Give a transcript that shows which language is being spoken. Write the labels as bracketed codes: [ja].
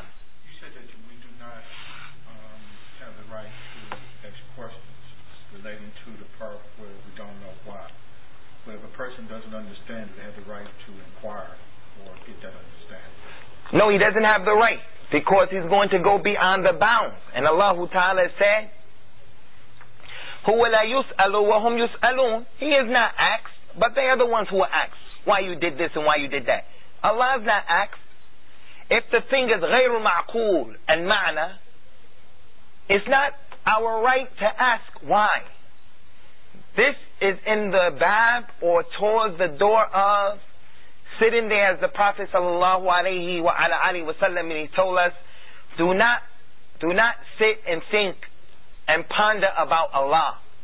[en] you said that we do not have the right to ask questions relating to the part where we don't know why. But if a person doesn't understand, they have the right to inquire or get that understanding. No, he doesn't have the right, because he's going to go beyond the bounds. [ar] And Allah Ta'ala said, هُوَ لَا يُسْأَلُوا وَهُمْ يُسْأَلُونَ. [en] He is not asked, but they are the ones who are asked. Why you did this and why you did that? Allah is not asked. If the thing is غَيْرُ ma'qul and ma'na, it's not our right to ask why. This is in the bab, or towards the door of sitting there, as the Prophet sallallahu alayhi wa ala alayhi wa sallam, and he told us, do not sit and think and ponder about Allah.